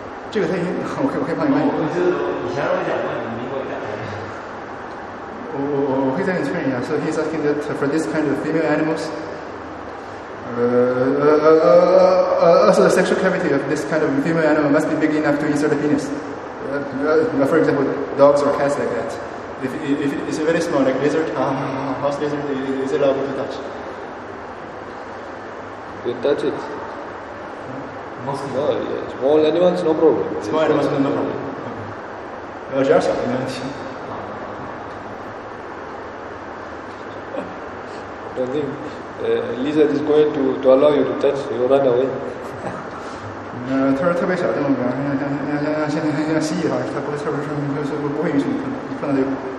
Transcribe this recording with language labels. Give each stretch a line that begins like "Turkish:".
Chinese: 这个他已经我可以帮你问。我记得以前我讲过，你们给我讲一下。我会再确认一下。
English: So he's asking that for this kind of female animals, also the sexual cavity of this kind of female animal must be big enough to insert a penis. For example, dogs or cats like that. If it's very small, like lizard, house lizard, is allowed to touch? You touch it. Mostly. No, yeah. Small animals, no problem. Small animals, no problem. Well, just a minute. I don't think lizard is going to allow you to touch, you run away.
Chinese: 他说特别小的动物，像蜥蜴哈，他不会，特别说就是不会允许你碰到这个。